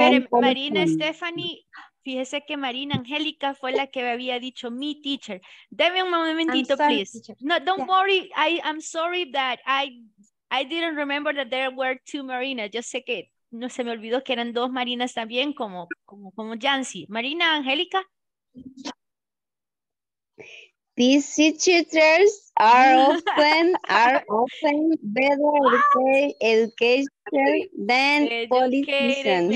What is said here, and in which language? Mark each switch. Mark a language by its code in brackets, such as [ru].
[es] Marina, Stephanie, fíjese que Marina Angélica fue la que me había dicho mi teacher. Deme un momentito, [en] sorry, please. Teacher. No, don't worry. I'm sorry that I didn't remember that there were two Marinas. [es] Yo sé que no se me olvidó que eran dos Marinas también, como Yancy. Marina Angélica. [en] Teachers are often better educated than politicians.